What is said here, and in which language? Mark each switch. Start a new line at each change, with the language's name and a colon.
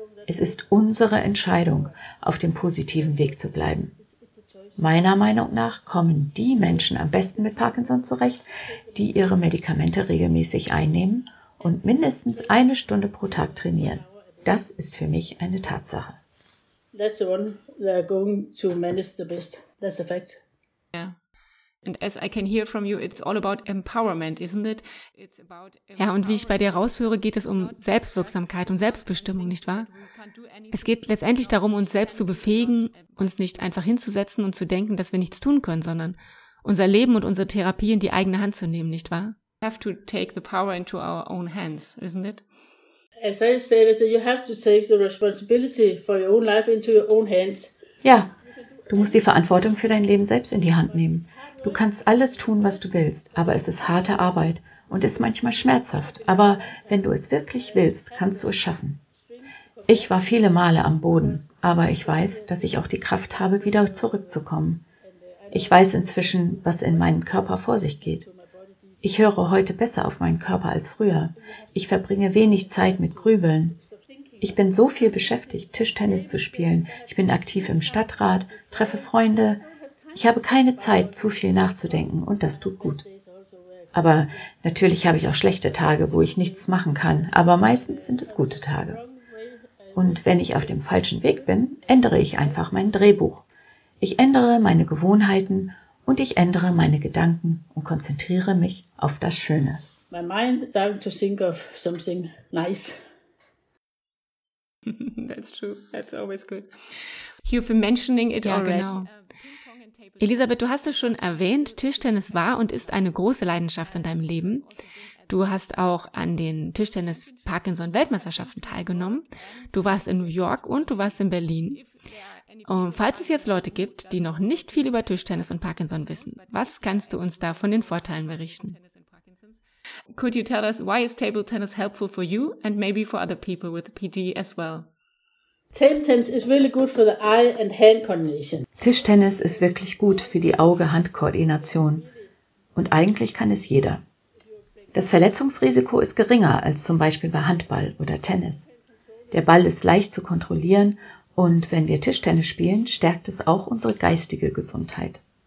German: Es ist unsere Entscheidung, auf dem positiven Weg zu bleiben. Meiner Meinung nach kommen die Menschen am besten mit Parkinson zurecht, die ihre Medikamente regelmäßig einnehmen und mindestens 1 Stunde pro Tag trainieren. Das ist für mich eine Tatsache.
English: That's the one that are going to manage the best. That's a fact. Yeah. And as I can hear from you, it's all about empowerment, isn't it? It's about empowerment.
German: Ja, und wie ich bei dir raushöre, geht es um Selbstwirksamkeit und Selbstbestimmung, nicht wahr? Es geht letztendlich darum, uns selbst zu befähigen, uns nicht einfach hinzusetzen und zu denken, dass wir nichts tun können, sondern unser Leben und unsere Therapie in die eigene Hand zu nehmen, nicht wahr?
English: We have to take the power into our own hands, isn't it? As I said, you have to take the responsibility for your own life into your own hands.
German: Ja, du musst die Verantwortung für dein Leben selbst in die Hand nehmen. Du kannst alles tun, was du willst, aber es ist harte Arbeit und ist manchmal schmerzhaft. Aber wenn du es wirklich willst, kannst du es schaffen. Ich war viele Male am Boden, aber ich weiß, dass ich auch die Kraft habe, wieder zurückzukommen. Ich weiß inzwischen, was in meinem Körper vor sich geht. Ich höre heute besser auf meinen Körper als früher. Ich verbringe wenig Zeit mit Grübeln. Ich bin so viel beschäftigt, Tischtennis zu spielen. Ich bin aktiv im Stadtrat, treffe Freunde. Ich habe keine Zeit, zu viel nachzudenken, und das tut gut. Aber natürlich habe ich auch schlechte Tage, wo ich nichts machen kann, aber meistens sind es gute Tage. Und wenn ich auf dem falschen Weg bin, ändere ich einfach mein Drehbuch. Ich ändere meine Gewohnheiten und ich ändere meine Gedanken und konzentriere mich auf das Schöne.
English: My mind starts to think of something nice. That's true. That's always good. You've been mentioning it already.
German: Genau. Elisabeth, du hast es schon erwähnt, Tischtennis war und ist eine große Leidenschaft in deinem Leben. Du hast auch an den Tischtennis-Parkinson-Weltmeisterschaften teilgenommen. Du warst in New York und du warst in Berlin. Und falls es jetzt Leute gibt, die noch nicht viel über Tischtennis und Parkinson wissen, was kannst du uns da von den Vorteilen berichten?
English: Could you tell us why is table tennis helpful for you and maybe for other people with PD as well? Table tennis is really good for the eye and hand coordination.
German: Tischtennis ist wirklich gut für die Auge-Hand-Koordination. Und eigentlich kann es jeder. Das Verletzungsrisiko ist geringer als zum Beispiel bei Handball oder Tennis. Der Ball ist leicht zu kontrollieren und wenn wir Tischtennis spielen, stärkt es auch unsere geistige Gesundheit.